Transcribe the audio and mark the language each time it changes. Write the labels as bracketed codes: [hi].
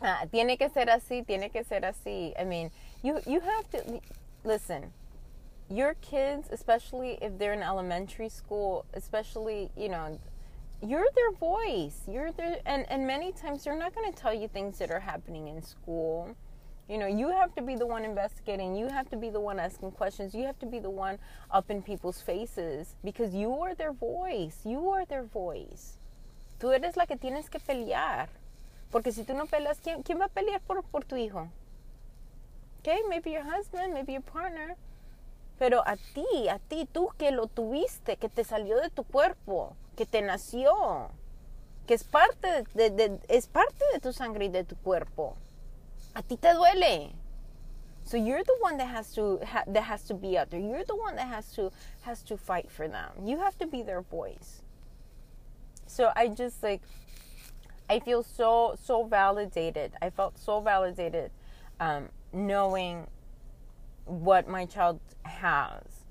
[es] tiene que ser así, tiene que ser así. [en] I mean, you have to, listen, your kids, especially if they're in elementary school, especially, you know, you're their voice. You're their, and many times they're not going to tell you things that are happening in school. You know, you have to be the one investigating. You have to be the one asking questions. You have to be the one up in people's faces because you are their voice. You are their voice. [es] Tú eres la que tienes que pelear. Porque si tú no peleas, ¿quién va a pelear por tu hijo? [en] Okay, maybe your husband, maybe your partner. [es] Pero a ti, tú que lo tuviste, que te salió de tu cuerpo, que te nació, que es parte de tu sangre y de tu cuerpo. A ti te duele. [en] So you're the one that has to be out there. You're the one that has to fight for them. You have to be their voice. So I just like, I feel so validated. I felt so validated knowing what my child has.